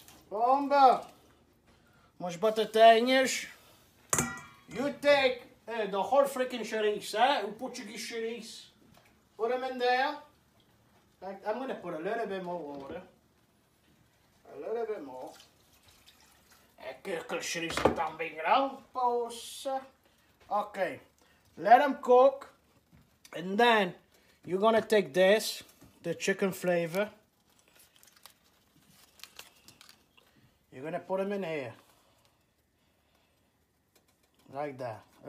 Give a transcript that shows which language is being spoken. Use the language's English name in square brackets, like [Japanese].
[Portuguese] Bomba. Umas batatinhas. [English] You take the whole freaking chouriço, o Portuguese chouriço. Put them in there. I'm gonna put a little bit more water. A little bit more. [Portuguese] Aquele chouriço está bem grande, poça. [English] Ok, let them cook, and then you're gonna take this, the chicken flavor. You're gonna put them in here, like that.